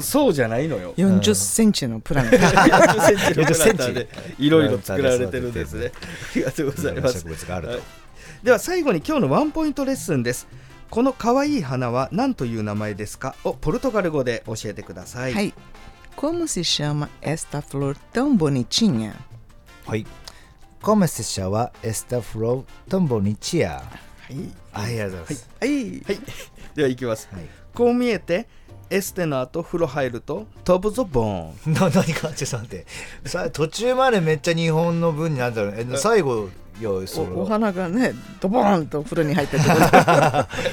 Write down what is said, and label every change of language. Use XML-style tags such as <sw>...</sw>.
<ja>そうじゃないのよ。 40センチのプランター 40センチのプランターでいろいろ作られてるんですね。ありがとうございます。植物があると、はい、では最後に今日のワンポイントレッスンです。この可愛い花は何という名前ですか、をポルトガル語で教えてください。はい。</ja> <pt>Como se chama esta flor tão bonitinha?</pt> <ja>はい。</ja> <pt>Como se chama esta flor tão bonitinha?</pt> <ja>はい。ありがとうございます。はい。はい、では行きます、はい。こう見えて、エステの後風呂入ると飛ぶぞボーン。何か、ちょっと待って。さあ、途中までめっちゃ日本の文になったの。最後、よいそれ。お花がね、ドボーンとお風呂に入ってた。</ja>